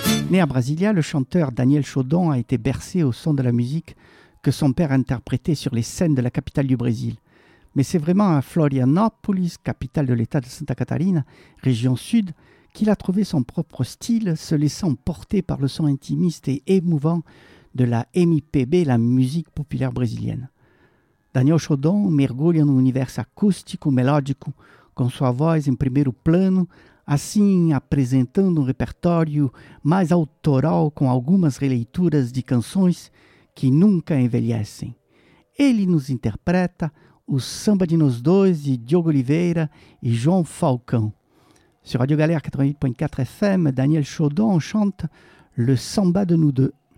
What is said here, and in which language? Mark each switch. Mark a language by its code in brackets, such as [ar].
[fr] Né à Brasilia, le chanteur Daniel Chaudon a été bercé au son de la musique que son père interprétait sur les scènes de la capitale du Brésil. Mais c'est vraiment à Florianópolis, capitale de l'État de Santa Catarina, région sud, qu'il a trouvé son propre style, se laissant porter par le son intimiste et émouvant de la MPB, la musique populaire brésilienne. [pt] Daniel Chaudon mergulha no universo acústico, melódico, com sua voz em primeiro plano, assim apresentando um repertório mais autoral com algumas releituras de canções que nunca envelhecem. Ele nos interpreta o Samba de Nos Dois de Diogo Oliveira e João Falcão. [fr] Sur Radio Galère 88.4 FM, Daniel Chaudon chante Le Samba de Nous Deux.